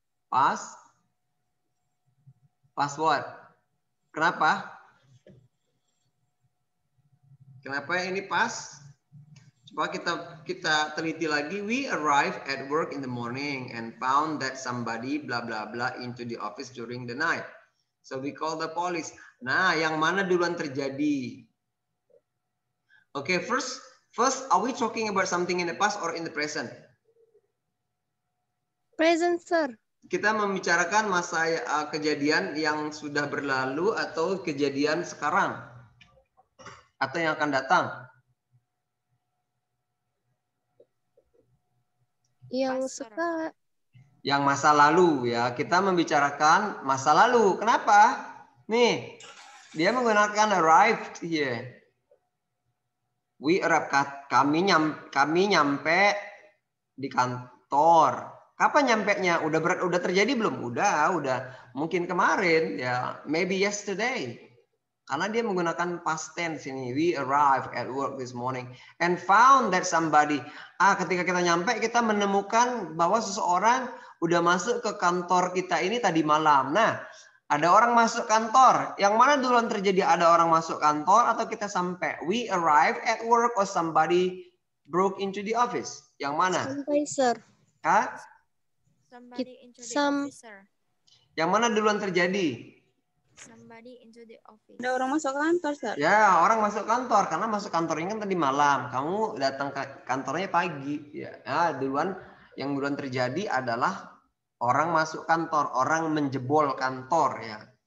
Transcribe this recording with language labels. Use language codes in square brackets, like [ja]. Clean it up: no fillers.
[id] Pass? Pass what? Kenapa? Kenapa ini pass? Coba kita teliti lagi. [en] We arrived at work in the morning and found that somebody blah blah blah into the office during the night. So we called the police. [id] Nah, yang mana duluan terjadi? [en] Okay, first, are we talking about something in the past or in the present? Present, sir. [id] Kita membicarakan masa kejadian yang sudah berlalu atau kejadian sekarang? Atau yang akan datang? Yang suka. Yang masa lalu, ya. Kita membicarakan masa lalu. Kenapa? Nih, dia menggunakan [en] arrived here. We arrived, [id] kami nyampe di kantor. Kapan nyampenya? Udah terjadi belum? Udah. Mungkin kemarin, ya. [en] Maybe yesterday. [id] Karena dia menggunakan past tense ini. [en] We arrived at work this morning and found that somebody. [id] Ketika kita nyampe, kita menemukan bahwa seseorang udah masuk ke kantor kita ini tadi malam. Nah, ada orang masuk kantor. Yang mana duluan terjadi? Ada orang masuk kantor atau kita sampai? [en] We arrive at work or somebody broke into the office? [id] Yang mana? Sampai, sir. Kak? [en] Somebody into the office, sir. [id] Yang mana duluan terjadi? [en] Somebody into the office. [id] Ada orang masuk kantor, sir. Ya, orang masuk kantor. Karena masuk kantornya kan tadi malam. Kamu datang ke kantornya pagi. Ya, nah, duluan yang duluan terjadi adalah orang masuk kantor, orang menjebol kantor, ya.